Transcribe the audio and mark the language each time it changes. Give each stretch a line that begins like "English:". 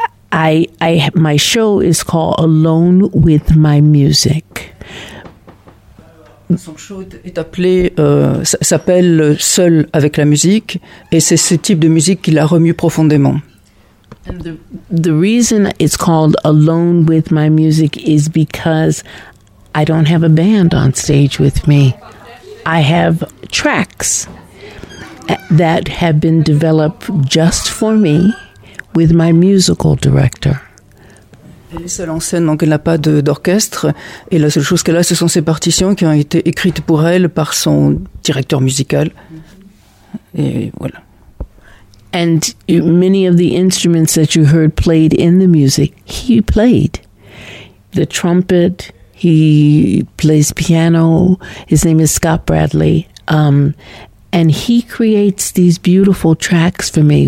English: I my show is called Alone with My Music.
French: Son show s'appelle Seul avec la musique, et c'est ce type de musique qui la remue profondément.
English: And the reason it's called Alone With My Music is because I don't have a band on stage with me. I have tracks that have been developed just for me with my musical director.
French: Elle est seule en scène, donc elle n'a pas d'orchestre. Et la seule chose qu'elle a, ce sont ses partitions qui ont été écrites pour elle par son directeur musical. Et voilà.
English: And many of the instruments that you heard played in the music, he played. The trumpet, he plays piano. His name is Scott Bradley. And he creates these beautiful tracks for me.